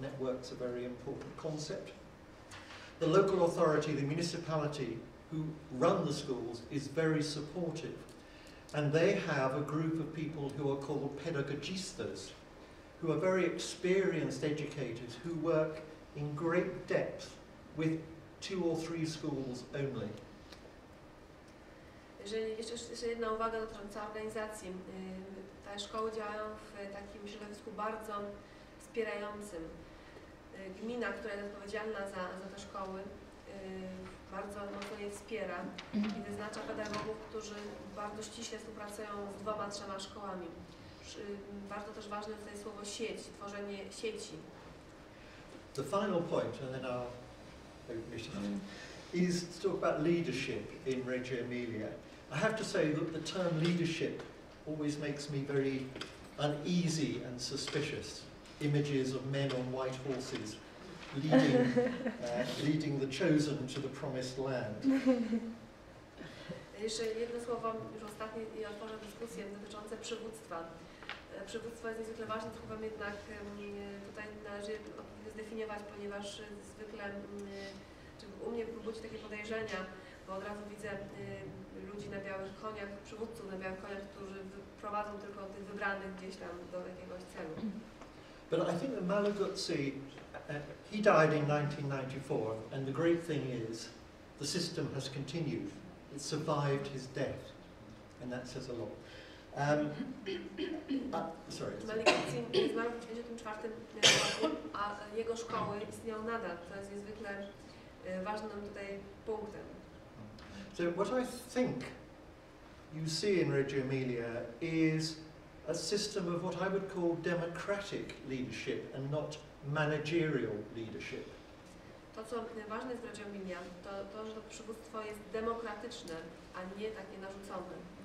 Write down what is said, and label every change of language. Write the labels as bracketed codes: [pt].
[en] Network's a very important concept. The local authority, the municipality who run the schools, is very supportive. And they have a group of people who are called pedagogistas, who are very experienced educators who work in great depth with two or three schools only. [pl] Jeżeli jeszcze jedna uwaga dotycząca organizacji. Te szkoły działają w takim środowisku bardzo wspierającym. Gmina, która jest odpowiedzialna za te szkoły, bardzo mocno je wspiera i wyznacza pedagogów, którzy bardzo ściśle współpracują z dwoma, trzema szkołami. Bardzo też ważne jest tutaj słowo sieć, tworzenie sieci. [en] The final point, and then is to talk about leadership in Reggio Emilia. I have to say that the term leadership always makes me very uneasy and suspicious. Images of men on white horses leading leading the chosen to the promised land. [pl] Jeszcze jedno słowo, już ostatnie i otworzę dyskusję dotyczące przywództwa. Przywództwo jest niezwykle ważne, słowem jednak tutaj należy zdefiniować, ponieważ zwykle u mnie budzi takie podejrzenia, bo od razu widzę ludzi na białych koniach, przywódców na białych koniach, którzy prowadzą tylko tych wybranych gdzieś tam do jakiegoś celu. [en] But I think that Malagutsi, he died in 1994, and the great thing is the system has continued. It survived his death, and that says a lot. [pl] Malagutsi zmarł w 1994, a jego szkoły istnieją nadal. To jest niezwykle ważnym tutaj punktem. [en] So what I think you see in Reggio Emilia is a system of what I would call democratic leadership and not managerial leadership. [pl] To, co ważne jest w Reggio Emilia, to, że to przywództwo jest demokratyczne, a nie takie narzucone.